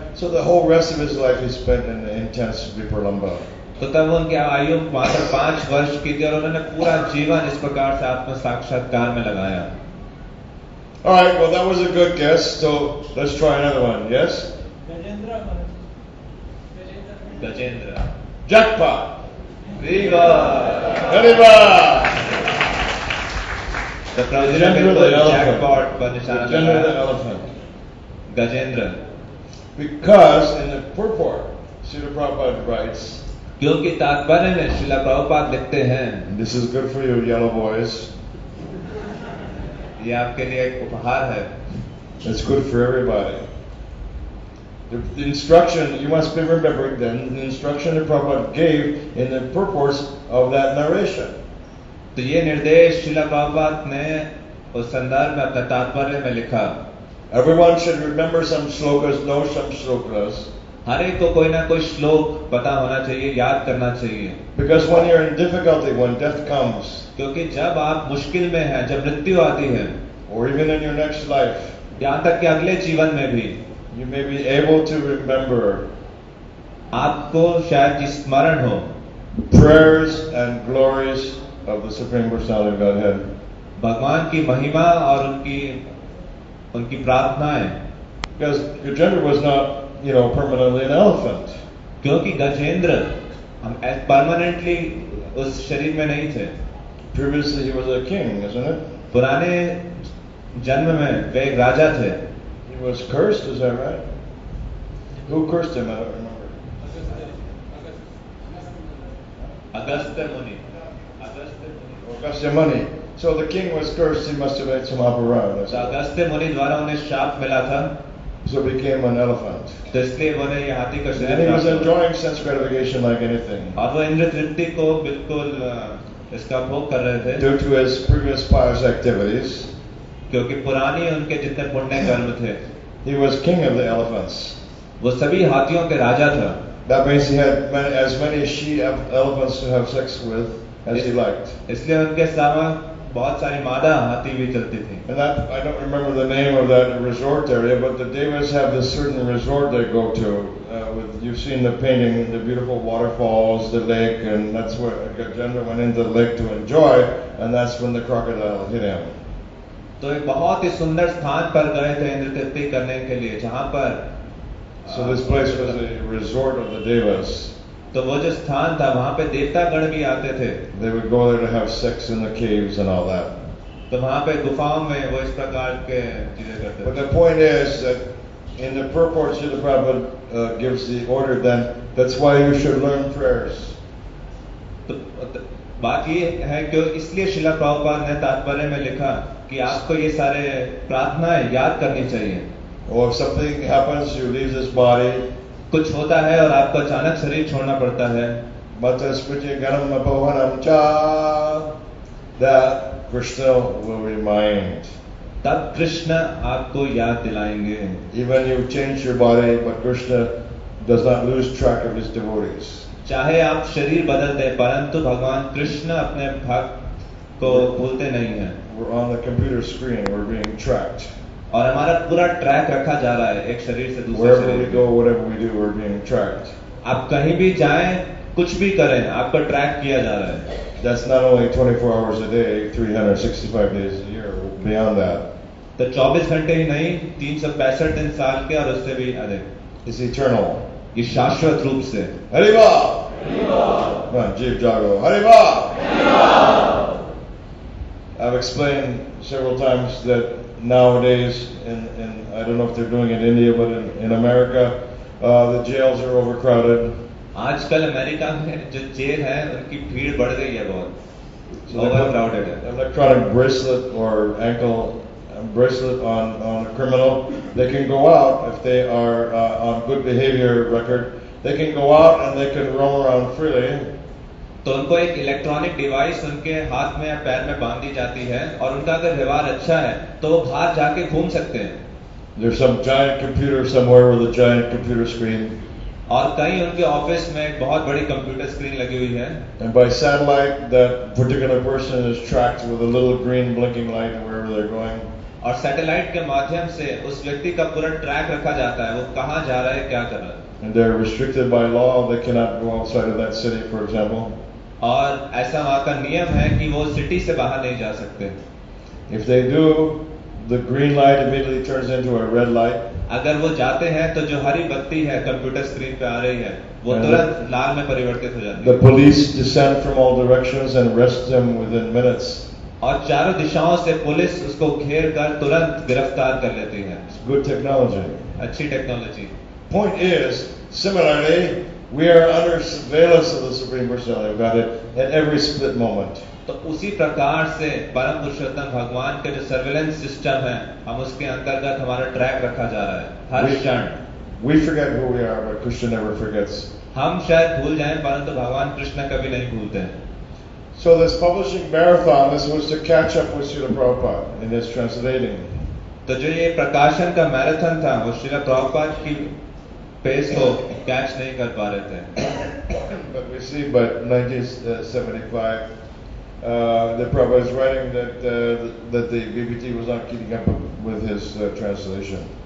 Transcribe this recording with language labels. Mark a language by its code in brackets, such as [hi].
[en] So the whole rest of his life he spent in the intense Viparlamba. [hi] तो तब उनकी आयु मात्र 5 वर्ष की थी और उन्होंने पूरा जीवन इस प्रकार से आत्म साक्षात्कार में लगाया। [en] All right, well that was a good guess. So let's try another one. Yes? Gajendra. Jackpot. Viva. Gariba. The Gajendra the elephant. Gajendra the elephant. Gajendra. Because in the purport, Srila Prabhupada writes, [hi] क्योंकि तात्पर्य में श्रीला प्रभुपाद लिखते हैं, [en] this is good for you, yellow boys. [hi] ये आपके लिए एक उपहार है. [en] It's good for everybody. The instruction, you must remember then, the instruction that Prabhupada gave in the purport of that narration. [hi] तो ये निर्देश श्रीला प्रभुपाद ने उस संदर्भ में अपने तात्पर्य में लिखा। [en] Everyone should remember some slokas, know some slokas. [hi] हर एक को कोई ना कोई श्लोक पता होना चाहिए, याद करना चाहिए। [en] Because when you're in difficulty, when death comes. [hi] क्योंकि जब आप मुश्किल में हैं, जब मृत्यु आती है। [en] Or even in your next life. [hi] यहाँ तक कि अगले जीवन में भी। [en] You may be able to remember. [hi] आपको शायद स्मरण हो। [en] Prayers and glories. Of the Supreme Personality of Godhead. [hi] भगवान की महिमा और उनकी उनकी प्रार्थनाएं। [en] Because Gajendra was not, you know, permanently an elephant. [hi] क्योंकि गजेंद्र हम permanently उस शरीर में नहीं थे। [en] Previously he was a king, isn't it? [hi] पुराने जन्म में वे एक राजा थे। [en] He was cursed, is that right? Who cursed him? I don't remember. [hi] Agastya मुनि। [en] Agastya Muni. So the king was cursed. He must have made some aparana. [hi] So Agastya Muni द्वारा उन्हें शाप मिला था. [en] So became an elephant. [hi] तो इसलिए उन्हें ये हाथी का शरीर. [en] And he was enjoying sense gratification like anything. [hi] और वो इंद्र तृप्ति को बिल्कुल इसका भोग कर रहे थे. [en] Due to his previous pious activities. [hi] क्योंकि पुरानी उनके जितने पुण्य कर्म थे. [en] He was king of the elephants. [hi] वो सभी हाथियों के राजा था. [en] That means he had as many she elephants to have sex with. [hi] इसलिए उनके सामान बहुत सारी मादा हाथी भी चलती थी। [en] And that, I don't remember the name of that resort area, but the devas have this certain resort they go to with you've seen the painting, the beautiful waterfalls, the lake, and that's where Gajendra went into the lake to enjoy, and that's when the crocodile hit him. [hi] तो एक बहुत ही सुंदर स्थान पर गए थे इंद्र तृप्ति करने के लिए जहां पर [en] So this place was a resort of the devas. [hi] तो वो जो स्थान था वहां पे देवता गण भी आते थे. [en] They would go there to have sex in the caves and all that. [hi] तो वहां पे गुफाओं में वो इस प्रकार के चीजें करते थे. [en] But the point is that in the purport Srila Prabhupada gives the order then that's why you should learn prayers. [hi] बात ये है कि इसलिए श्रीला प्रभुपाद ने तात्पर्य में लिखा कि आपको ये सारे प्रार्थनाएं याद करनी चाहिए [en] और something happens, you leave this body. [hi] कुछ होता है और आपको अचानक शरीर छोड़ना पड़ता है तब कृष्ण आपको याद दिलाएंगे [en] even you change your body but Krishna does not lose track of his devotees [hi] चाहे आप शरीर बदलते परंतु भगवान कृष्ण अपने भक्त को भूलते नहीं है [en] We're on the computer screen. We're being tracked. [hi] और हमारा पूरा ट्रैक रखा जा रहा है एक शरीर से दूसरे शरीर [en] Wherever we go, whatever we do, we're being tracked. [hi] आप कहीं भी जाएं, कुछ भी करें, आपको ट्रैक किया जा रहा है [en] That's not only 24 hours a day, 365 days a year, beyond that. [hi] तो 24 घंटे ही नहीं 365 दिन साल के और उससे भी अधिक [en] It's eternal. [hi] ये शाश्वत रूप से हरि बोल जीव जागो हरि बोल [en] I've explained several times that nowadays, in I don't know if they're doing it in India, but in America, the jails are overcrowded. [hi] आजकल अमेरिका में जो जेल हैं उनकी भीड़ बढ़ गई है बहुत. [en] Overcrowded. Electronic bracelet or ankle bracelet on a criminal, they can go out if they are on good behavior record. They can go out and they can roam around freely. [hi] तो उनको एक इलेक्ट्रॉनिक डिवाइस उनके हाथ में या पैर में बांध दी जाती है और उनका अगर व्यवहार अच्छा है तो वो बाहर जाके घूम सकते हैं [en] There's some giant computer somewhere with a giant computer screen. [hi] और कहीं उनके ऑफिस में एक बहुत बड़ी कंप्यूटर स्क्रीन लगी हुई है [en] And by satellite, that particular person is tracked with a little green blinking light wherever they're going. [hi] और सैटेलाइट के माध्यम से उस व्यक्ति का पूरा ट्रैक रखा जाता है वो कहां जा रहा है क्या कर रहा है [en] And they're restricted by law, they cannot go outside of that city, for example. [hi] और ऐसा वहां का नियम है कि वो सिटी से बाहर नहीं जा सकते [en] if they do the green light immediately turns into a red light [hi] अगर वो जाते हैं तो जो हरी बत्ती है कंप्यूटर स्क्रीन पे आ रही है वो तुरंत लाल में परिवर्तित हो जाती है [en] the police descend from all directions and arrest them within minutes [hi] और चारों दिशाओं से पुलिस उसको घेर कर तुरंत गिरफ्तार कर लेती है [en] good technology [hi] अच्छी technology [en] Point is similarly We are under surveillance of the Supreme Personality of Godhead at every split moment. [hi] तो उसी प्रकार से परम पुरुषोत्तम भगवान के जो surveillance system है, हम उसके अंतर्गत हमारा track रखा जा रहा है हर क्षण. [en] We forget who we are, but Krishna never forgets. [hi] हम शायद भूल जाएं, परंतु भगवान कृष्ण कभी नहीं भूलते. [en] So this publishing marathon, this was to catch up with Srila Prabhupada in his translating. [hi] तो जो ये प्रकाशन का मैराथन था, वो श्रील प्रभुपाद की पेस को कैच नहीं कर पा रहे थे [en] but we see by 1975 the Prabhupada is writing that the BBT was not keeping up with his translation